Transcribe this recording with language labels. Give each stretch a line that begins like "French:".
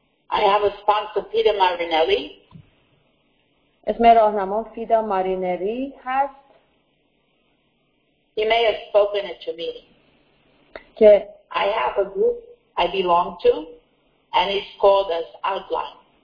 English: I have a sponsor, Peter Marinelli.
Persian: اسم راهنمام فیدا مارینری هست.
English: He may have spoken it to me.
Persian: که
English: I have a group I belong to, and it's called as Outline.